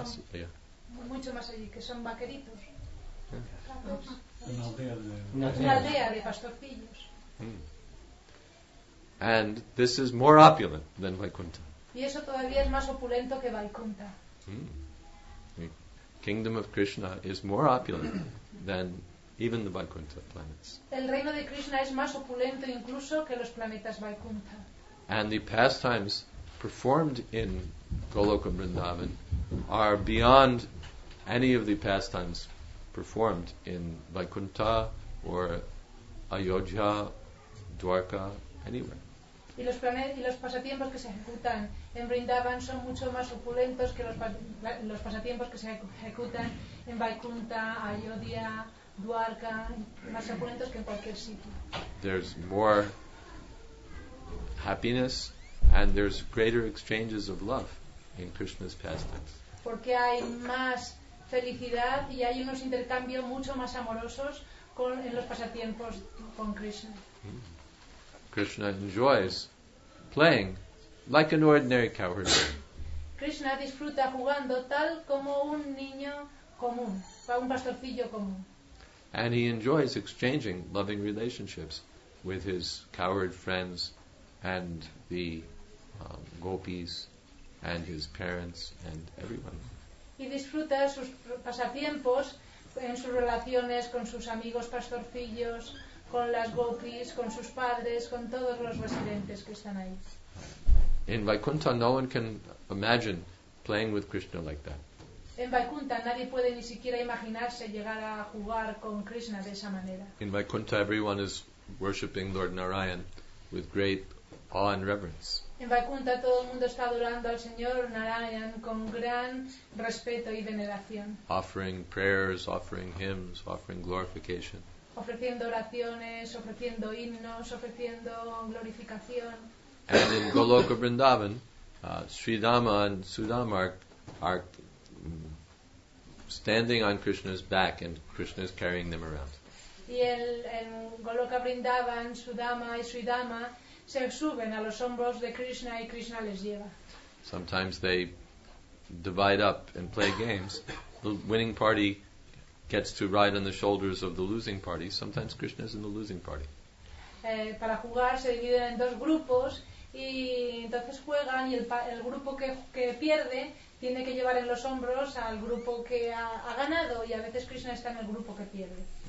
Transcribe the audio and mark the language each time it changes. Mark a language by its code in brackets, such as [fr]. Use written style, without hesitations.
[es] más, mucho más allí, que son vaqueritos. Una aldea de pastorcillos. Mm. [en] And this is more opulent than Vaikuntha. [es] Y eso todavía es más opulento que Vaikuntha. Mm. [en] The kingdom of Krishna is more opulent than even the Vaikuntha planets. [es] El reino de Krishna es más opulento incluso que los planetas Vaikuntha. [en] And the pastimes performed in Goloka Vrindavan are beyond any of the pastimes performed in Vaikuntha or Ayodhya, Dwarka. [es] Y los pasatiempos que se ejecutan en Vrindavan son mucho más opulentos que los pasatiempos que se ejecutan en Vaikuntha, Ayodhya, Dwarka, más opulentos que en cualquier sitio. [en] There's more happiness and there's greater exchanges of love in Krishna's pastimes. [es] Porque hay más felicidad y hay unos intercambios mucho más amorosos en los pasatiempos con Krishna. [en] Krishna enjoys playing like an ordinary cowherd. [es] Krishna disfruta jugando tal como un niño común, un pastorcillo común. [en] And he enjoys exchanging loving relationships with his cowherd friends and the gopis and his parents and everyone. [es] Y disfruta sus pasatiempos en sus relaciones con sus amigos pastorcillos, con las gopis, con sus padres, con todos los residentes que están ahí. [en] In Vaikuntha, no one can imagine playing with Krishna like that. [es] En Vaikuntha, nadie puede ni siquiera imaginarse llegar a jugar con Krishna de esa manera. [en] In Vaikuntha, everyone is worshipping Lord Narayan with great awe and reverence. [es] En Vaikuntha, todo el mundo está adorando al señor Narayan con gran respeto y veneración. [en] Offering prayers, offering hymns, offering glorification. [es] Ofreciendo oraciones, ofreciendo himnos, ofreciendo glorificación. [en] And in Goloka Vrindavan, Sridhama and Sudama are standing on Krishna's back and Krishna is carrying them around. [es] Y en Goloka Vrindavan, Sudama y Sridhama se suben a los hombros de Krishna y Krishna les lleva. [en] Sometimes they divide up and play games. The winning party gets to ride on the shoulders of the losing party. Sometimes Krishna is in the losing party. [es] Para jugar se dividen en dos grupos y entonces juegan y el grupo que pierde tiene que llevar en los hombros al grupo que ha ganado y a veces Krishna está en el grupo que pierde.